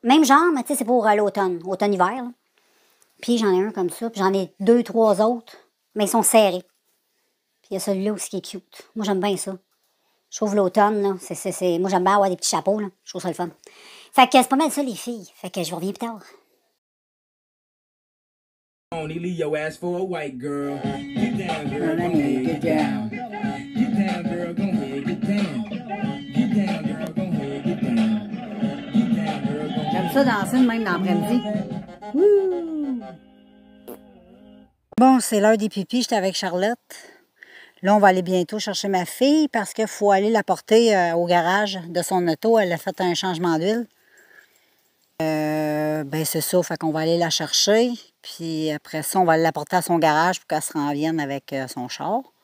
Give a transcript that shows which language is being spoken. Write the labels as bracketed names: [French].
[French] Même genre, mais tu sais, c'est pour l'automne. Automne-hiver. Là. Puis, j'en ai un comme ça. Puis, j'en ai deux, trois autres. Mais ils sont serrés. Puis, il y a celui-là aussi qui est cute. Moi, j'aime bien ça. Je trouve l'automne. Là, c'est... Moi, j'aime bien avoir des petits chapeaux. Là. Je trouve ça le fun. Fait que c'est pas mal ça, les filles. Fait que je vous reviens plus tard. [English] Tony, leave your ass for a white girl. Get down, girl, gon' make it down. Get down, girl, gon' make it down. Get down, girl, gon' make it down. Get down, girl, gon' make it down. [French] J'aime ça danser, même l'après-midi. Wouh! Bon, c'est l'heure des pipis. J'étais avec Charlotte. Là, on va aller bientôt chercher ma fille parce qu'il faut aller la porter au garage de son auto. Elle a fait un changement d'huile. Ben c'est ça, fait qu'on va aller la chercher, puis après ça, on va l'apporter à son garage pour qu'elle se revienne avec son char.